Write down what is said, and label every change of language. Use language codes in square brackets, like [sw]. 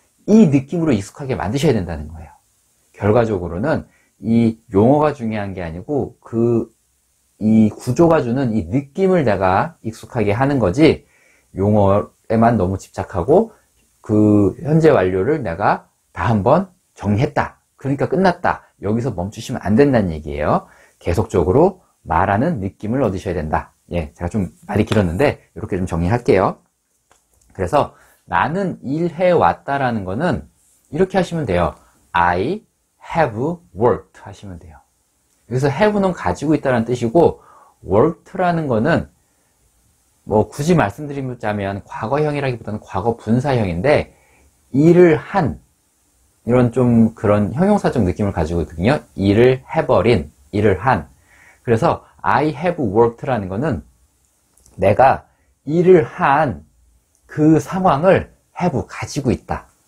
[ko] 이 느낌으로 익숙하게 만드셔야 된다는 거예요. 결과적으로는 이 용어가 중요한 게 아니고 이 구조가 주는 이 느낌을 내가 익숙하게 하는 거지, 용어에만 너무 집착하고 그 현재 완료를 내가 다 한번 정했다. 그러니까 끝났다. 여기서 멈추시면 안 된다는 얘기예요. 계속적으로 말하는 느낌을 얻으셔야 된다. 예, 제가 좀 말이 길었는데 이렇게 좀 정리할게요. 그래서 나는 일해왔다라는 거는 이렇게 하시면 돼요. [en] I have worked [ko] 하시면 돼요. 여기서 have는 가지고 있다는 뜻이고, worked라는 거는 뭐 굳이 말씀드리자면 과거형이라기보다는 과거 분사형인데, 일을 한 이런 좀 그런 형용사적 느낌을 가지고 있거든요. 일을 해버린, 일을 한. 그래서 [en] I have worked [ko] 라는 거는 내가 일을 한그 상황을 have 가지고 있다.